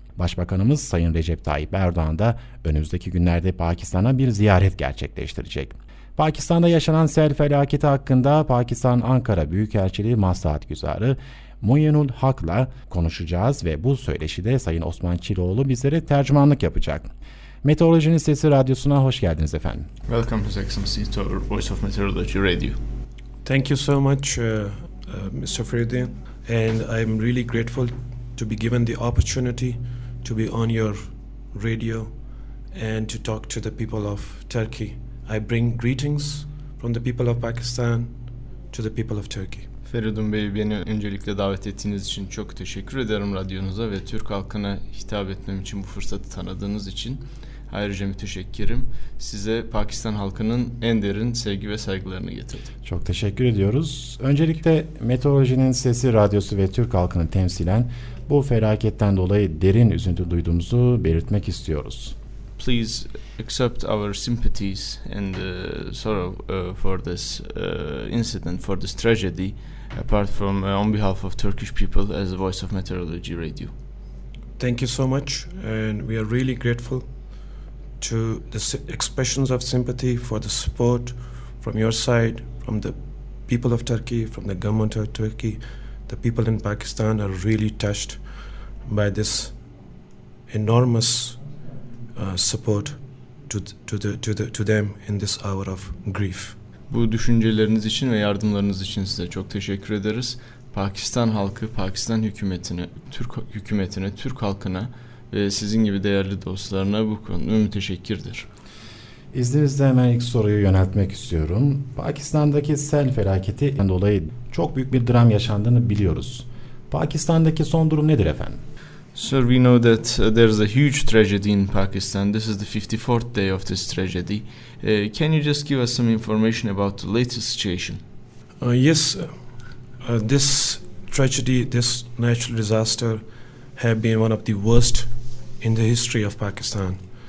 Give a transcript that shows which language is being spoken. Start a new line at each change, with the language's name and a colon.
Turkish: Başbakanımız Sayın Recep Tayyip Erdoğan da önümüzdeki günlerde Pakistan'a bir ziyaret gerçekleştirecek. Pakistan'da yaşanan sel felaketi hakkında Pakistan Ankara Büyükelçiliği Maslahat Güzarı Muinul Hak'la konuşacağız ve bu söyleşide Sayın Osman Çiloğlu bizlere tercümanlık yapacak. Meteorolojinin Sesi Radyosu'na hoş geldiniz efendim.
English: Welcome His Excellency to our Voice of Meteorology Radio. Thank you so much Mr. Fridin and I'm really grateful to be given the opportunity to be on your radio and to talk to the people of Turkey. I bring greetings from the people of Pakistan to the people of Turkey.
Turkish: Feridun Bey, beni öncelikle davet ettiğiniz için çok teşekkür ederim radyonuza ve Türk halkına hitap etmem için bu fırsatı tanıdığınız için. Ayrıca müteşekkirim. Size Pakistan halkının en derin sevgi ve saygılarını getirdim. Çok teşekkür ediyoruz. Öncelikle Meteorolojinin Sesi Radyosu ve Türk halkını temsilen bu felaketten dolayı derin üzüntü duyduğumuzu belirtmek istiyoruz.
English: Please accept our sympathies and sorrow for this incident, for this tragedy, apart from on behalf of Turkish people as a voice of Meteorology Radio. Thank you so much, and we are really grateful to the expressions of sympathy for the support from your side, from the people of Turkey, from the government of Turkey. The people in Pakistan are really touched by this enormous support to them in this hour of grief.
Turkish: Bu düşünceleriniz için ve yardımlarınız için size çok teşekkür ederiz. Pakistan halkı, Pakistan hükümetine, Türk hükümetine, Türk halkına ve sizin gibi değerli dostlarına bu konuda müteşekkirdir. İzninizle hemen ilk soruyu yöneltmek istiyorum. Pakistan'daki sel felaketi dolayı çok büyük bir dram yaşandığını biliyoruz. Pakistan'daki son durum nedir efendim?
English: Sir, we know that there is a huge tragedy in Pakistan. This is the 54th day of this tragedy. Can you just give us some information about the latest situation? This tragedy, this natural disaster, have been one of the worst in the history of Pakistan.